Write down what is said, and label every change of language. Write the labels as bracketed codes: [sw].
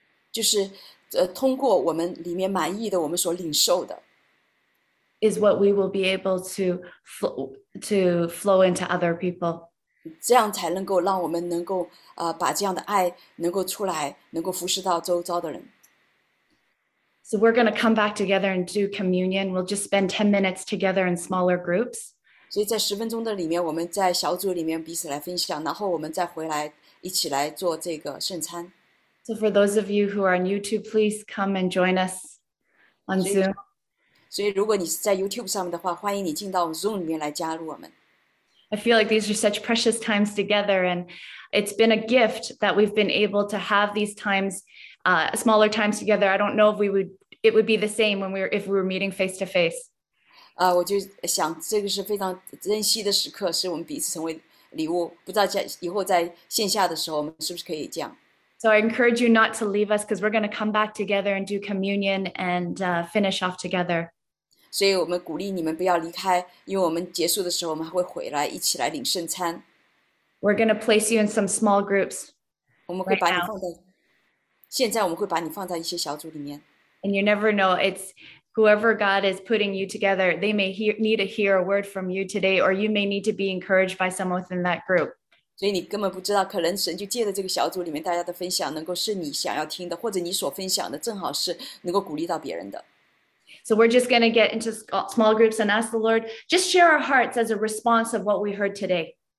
[zh] 就是通过我们里面满意的我们所领受的。 [en] Is what we will be able to flow into other people. [zh] 这样才能够让我们能够把这样的爱能够出来，能够服侍到周遭的人。 [en] So we're going to come back together and do communion. We'll just spend 10 minutes together in smaller groups. [zh] 所以在十分钟的里面，我们在小组里面彼此来分享，然后我们再回来一起来做这个圣餐。 [en] So for those of you who are new to, please come and join us on Zoom. [zh] 所以如果你是在 YouTube 上面的话，欢迎你进到 Zoom 里面来加入我们。 [en] I feel like these are such precious times together, and it's been a gift that we've been able to have these times. Smaller times together. I don't know if it would be the same if we were meeting face to face. [zh] 我就想这个是非常珍惜的时刻，是我们彼此成为礼物。不知道以后在线下的时候，我们是不是可以这样 [en] ？So I encourage you not to leave us because we're going to come back together and do communion and finish off together. [zh] 所以我们鼓励你们不要离开，因为我们结束的时候我们还会回来一起来领圣餐。 [en] We're going to place you in some small groups. [zh] 我们会把你放在。现在我们会把你放在一些小组里面。 [en] And you never know, it's whoever God is putting you together, they may need to hear a word from you today, or you may need to be encouraged by someone within that group. [zh] 所以你根本不知道，可能神就借着这个小组里面大家的分享，能够是你想要听的，或者你所分享的正好是能够鼓励到别人的。 [en] So we're just going to get into small groups and ask the Lord, just share our hearts as a response of what we heard today.